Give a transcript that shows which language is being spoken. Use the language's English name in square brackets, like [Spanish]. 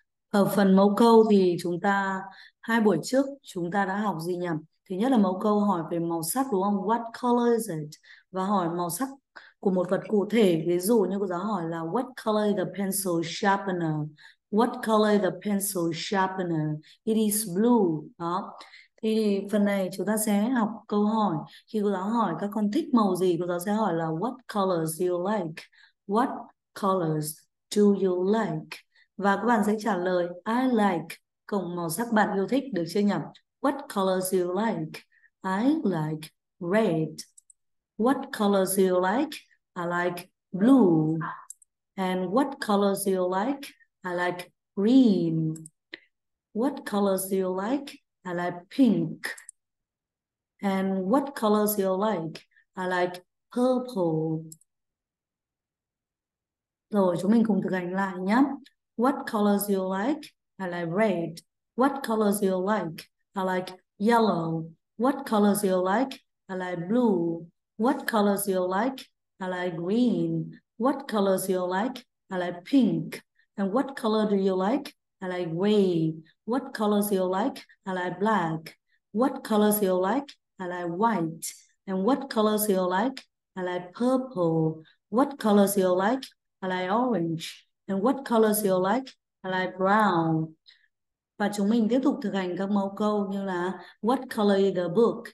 [Vietnamese] Ở phần mẫu câu thì chúng ta hai buổi trước chúng ta đã học gì nhỉ? Thứ nhất là mẫu câu hỏi về màu sắc đúng không? [English] What color is it? [Vietnamese] Và hỏi màu sắc của một vật cụ thể. Ví dụ như cô giáo hỏi là [English] What color is the pencil sharpener? What color is the pencil sharpener? It is blue. [Vietnamese] Đó. Thì phần này chúng ta sẽ học câu hỏi. Khi cô giáo hỏi các con thích màu gì, cô giáo sẽ hỏi là [English] What colors do you like? What colors do you like? [Vietnamese] Và các bạn sẽ trả lời [English] I like [Vietnamese] cùng màu sắc bạn yêu thích, được chưa nhỉ? [English] What colors you like? I like red. What colors you like? I like blue. And what colors you like? I like green. What colors you like? I like pink. And what colors you like? I like purple. [Vietnamese] Rồi, chúng mình cùng thực hành lại nhé. [English] What colors you like? I like red. What colors you like? I like yellow. What colors you like? I like blue. What colors you like? I like green. What colors you like? I like pink. And what color do you like? I like gray. What colors you like? I like black. What colors you like? I like white. And what colors you like? I like purple. What colors you like? I like orange. And what colors you like? I like brown. [Vietnamese] Và chúng mình tiếp tục thực hành các mẫu câu như là [English] What color is the book?